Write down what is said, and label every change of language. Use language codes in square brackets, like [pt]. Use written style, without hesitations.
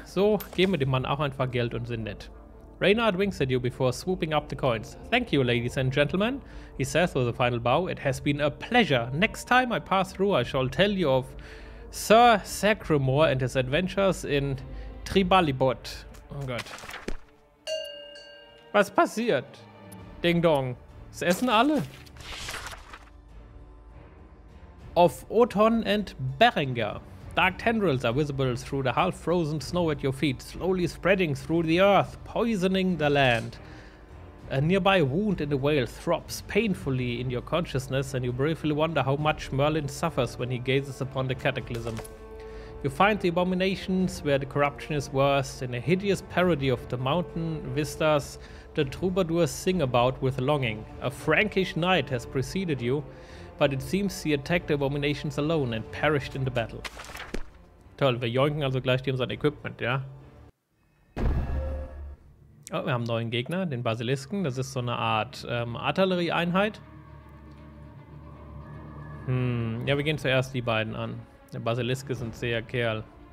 [de] So, geben wir dem Mann auch einfach Geld und sind nett. [en] Reynard winks at you before swooping up the coins. Thank you, ladies and gentlemen, he says with a final bow. It has been a pleasure. Next time I pass through, I shall tell you of Sir Sacramore and his adventures in Tribalibot. [de] Oh Gott. Was passiert? Ding dong. Es essen alle. [en] Of Oton and Berenger. Dark tendrils are visible through the half-frozen snow at your feet, slowly spreading through the earth, poisoning the land. A nearby wound in the whale throbs painfully in your consciousness, and you briefly wonder how much Merlin suffers when he gazes upon the cataclysm. You find the abominations where the corruption is worst, in a hideous parody of the mountain vistas the troubadours sing about with longing. A Frankish knight has preceded you, but it seems he attacked the abominations alone and perished in the battle. [de] Toll, wir joinken also gleich dem sein Equipment, ja? Oh, wir haben einen neuen Gegner, den Basilisken. Das ist so eine Art Artillerieeinheit. Ja, wir gehen zuerst die beiden an. Der Basilisk ist ein zäher Kerl.